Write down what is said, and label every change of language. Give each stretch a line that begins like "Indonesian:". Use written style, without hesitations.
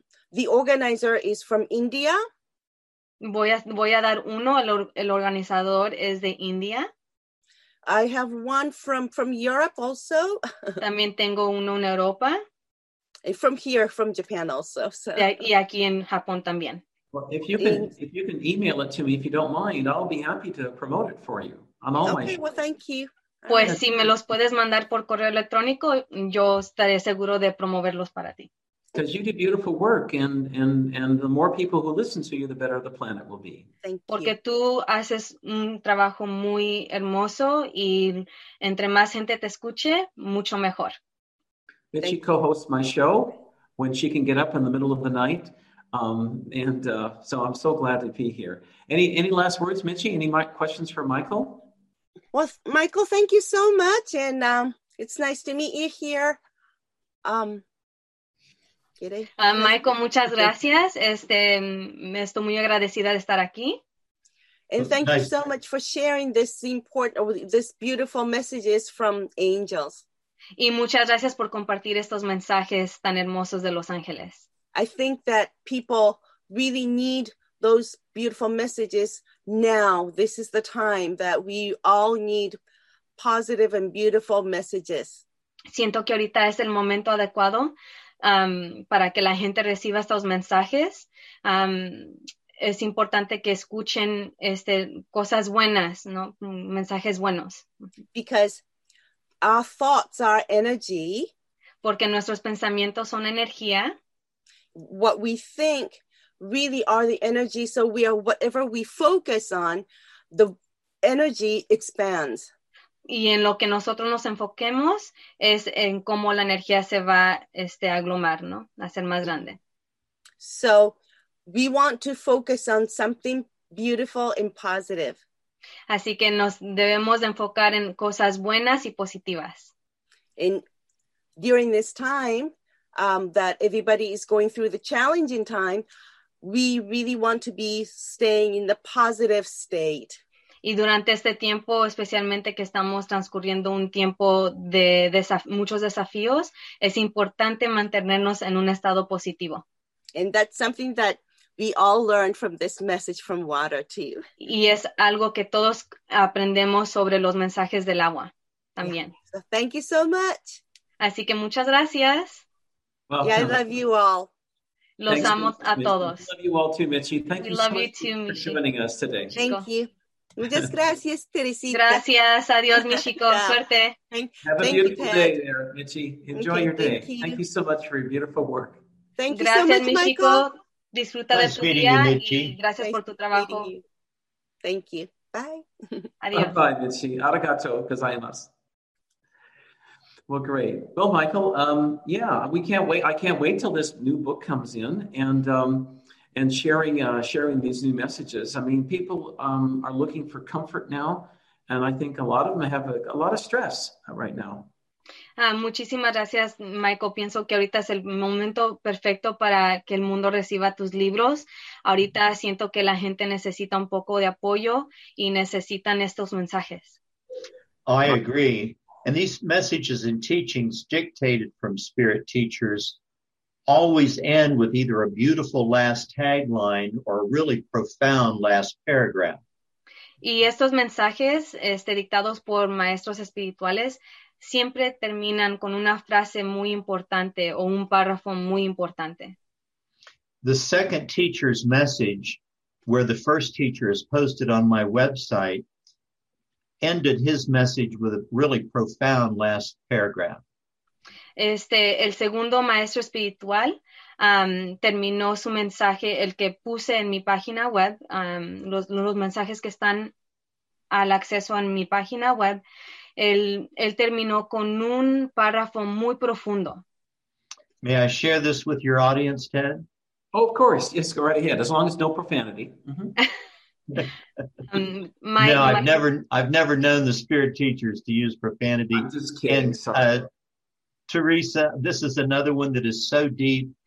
English: The organizer is from India.
Spanish: Voy a dar uno. El organizador es de India.
English: I have one from Europe also.
Spanish: También tengo uno en Europa.
English: From here, from Japan also. So.
Spanish: Y aquí en Japón también.
English: Well, if you can email it to me, if you don't mind, I'll be happy to promote it for you. I'm always. Okay, well, thank you.
Spanish: Pues si me los puedes mandar por correo electrónico, yo estaré seguro de promoverlos para ti.
English: Because you do beautiful work, and the more people who listen to you, the better the planet will be. Thank you.
Spanish: Porque tú haces un trabajo muy hermoso, y entre más gente te escuche, mucho mejor.
English: Then she co-hosts my show when she can get up in the middle of the night, so I'm so glad to be here. Any last words, Michi? Any questions for Michael? Well, Michael, thank you so much, and it's nice to meet you here.
Spanish: Michael, muchas gracias. Estoy muy agradecida de estar aquí.
English: And thank you so much for sharing this beautiful messages from angels.
Spanish: Y muchas gracias por compartir estos mensajes tan hermosos de los ángeles.
English: I think that people really need those beautiful messages now. This is the time that we all need positive and beautiful messages.
Spanish: Siento que ahorita es el momento adecuado. Para que la gente reciba estos mensajes, es importante que escuchen cosas buenas, ¿no? Mensajes buenos.
English: Because our thoughts are energy.
Spanish: Porque nuestros pensamientos son energía.
English: What we think really are the energy, so we are whatever we focus on, the energy expands.
Spanish: Y en lo que nosotros nos enfoquemos es en cómo la energía se va a aglomar, ¿no? A ser más grande.
English: So, we want to focus on something beautiful and positive.
Spanish: Así que nos debemos de enfocar en cosas buenas y positivas.
English: And during this time that everybody is going through the challenging time, we really want to be staying in the positive state.
Spanish: Y durante este tiempo, especialmente que estamos transcurriendo un tiempo de muchos desafíos, es importante mantenernos en un estado positivo.
English: And that's something that we all learned from this message from water too.
Spanish: Y es algo que todos aprendemos sobre los mensajes del agua también.
English: Yeah. So thank you so much.
Spanish: Así que muchas gracias.
English: Well, yeah, I love you all.
Spanish: Los amo a todos.
English: We love you all too, Michi. Thank you so much for joining us today. Thank you.
Spanish: Muchas gracias,
English: Teresita.
Spanish: Gracias. Adiós, mi chico. Yeah. Suerte.
English: Have a beautiful day there, Michi. Enjoy your day. Thank you so much for your beautiful work. Thank you so much, Michael.
Spanish: Disfruta de tu día. Michi. Y gracias
English: nice
Spanish: por tu trabajo.
English: Thank you. Bye.
Spanish: Adiós.
English: Bye, Michi.
Japanese: Arigato, gozaimasu.
English: Well, great. Well, Michael, we can't wait. I can't wait till this new book comes in. And sharing these new messages. I mean, people are looking for comfort now, and I think a lot of them have a lot of stress right now.
Spanish: Muchísimas gracias, Michael. Pienso que ahorita es el momento perfecto para que el mundo reciba tus libros. Ahorita siento que la gente necesita un poco de apoyo y necesitan estos mensajes.
English: I agree. And these messages and teachings dictated from spirit teachers always end with either a beautiful last tagline or a really profound last paragraph.
Spanish: Y estos mensajes dictados por maestros espirituales siempre terminan con una frase muy importante o un párrafo muy importante.
English: The second teacher's message, where the first teacher is posted on my website, ended his message with a really profound last paragraph.
Spanish: El segundo maestro espiritual terminó su mensaje, el que puse en mi página web, los mensajes que están al acceso en mi página web, él terminó con un párrafo muy profundo.
English: May I share this with your audience, Ted? Oh, of course. Yes, go right ahead. As long as no profanity. Mm-hmm. I've never known the spirit teachers to use profanity. I'm just kidding. And, Teresa, this is another one that is so deep.